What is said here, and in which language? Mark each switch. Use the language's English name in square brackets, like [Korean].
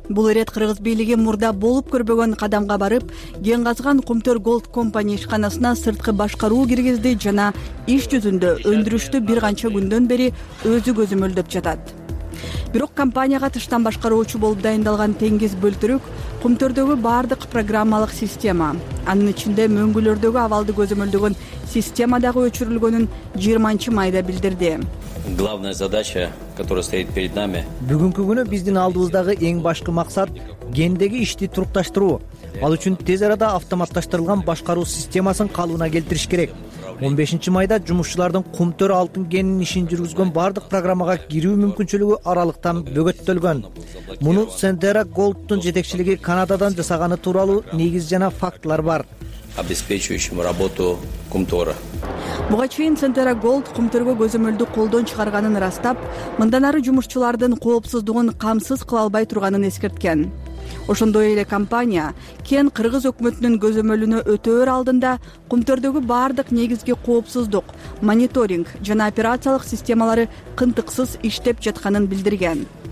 [Kyrgyz] Бул ирет кыргыз бийлиги мурда болуп көрбөгөн кадамга барып, кен казган Кумтор Gold Company ишканасына сырткы башкаруу киргизди жана иш жүзүндө өндүрүштү бир канча күндөн бери өзү көзөмөлдөп жатат. Бирок компанияга тыштан башкаруучу болуп дайындалган теңиз бөлтүрүк, кумтордогу баардык программалык система, анын ичинде мөңгүлөрдөгү абалды көзөмөлдөгөн система дагы өчүрүлгөнүн 20-майда билдирди. [Russian] Главная задача, которая стоит перед нами. [Kyrgyz] Бүгүнкү күнү биздин алдыбыздагы эң башкы максат кендеги ишти турукташтыруу. Ал үчүн тез арада автоматташтырылган башкаруу системасын калыбына келтириш керек. 15-майда жумушчулардын кумтор алтын кенинин ишин жүргүзгөн бардык программага кирүү мүмкүнчүлүгү аралыктан бөгөттөлгөн. Муну Сендера Голдтун жетекчилиги Канададан жасаганы тууралуу негиз жана фактылар бар. [Russian] Обеспечивающим работу кумтора. [Kyrgyz] Буга чейин Сендера Голд кумторго көзөмөлдү колдон чыгарганын ырастап, мындан ары жумушчулардын коопсуздугун камсыз кыла албай турганын эскерткен. Ошондой эле компания кен кыргыз өкмөтүнүн көзөмөлүнө өтөөр алдында кумтордогу бардык негизги коопсуздук, мониторинг жана операциялык системалары кынтыксыз иштеп жатканын билдирген.